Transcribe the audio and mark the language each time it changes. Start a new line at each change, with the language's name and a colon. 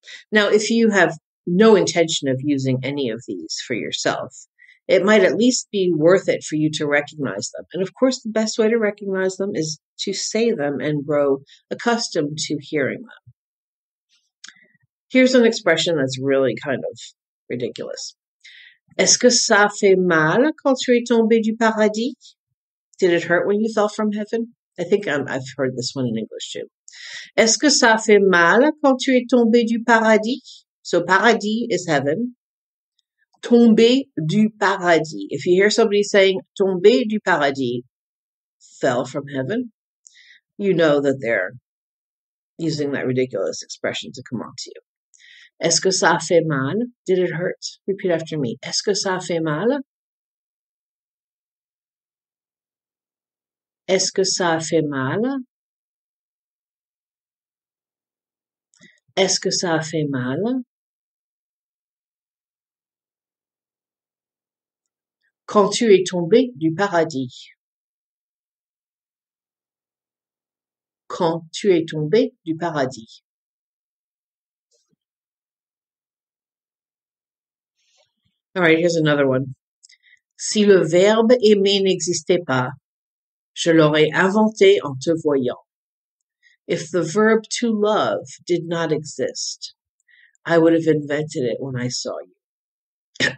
English: Now, if you have no intention of using any of these for yourself, it might at least be worth it for you to recognize them. And of course, the best way to recognize them is to say them and grow accustomed to hearing them. Here's an expression that's really kind of ridiculous.
French: Est-ce que ça fait mal quand tu es tombé du paradis?
English: Did it hurt when you fell from heaven? I think I've heard this one in English too.
French: Est-ce que ça fait mal quand tu es tombé du paradis?
English: So paradis is heaven.
French: Tombé du paradis.
English: If you hear somebody saying
French: tombé du paradis,
English: fell from heaven, you know that they're using that ridiculous expression to come on to you.
French: Est-ce que ça fait mal?
English: Did it hurt? Repeat after me.
French: Est-ce que ça fait mal? Est-ce que ça fait mal? Est-ce que ça fait mal? Quand tu es tombé du paradis. Quand tu es tombé du paradis.
English: All right, here's another one.
French: Si le verbe aimer n'existait pas, je l'aurais inventé en te voyant.
English: If the verb to love did not exist, I would have invented it when I saw you.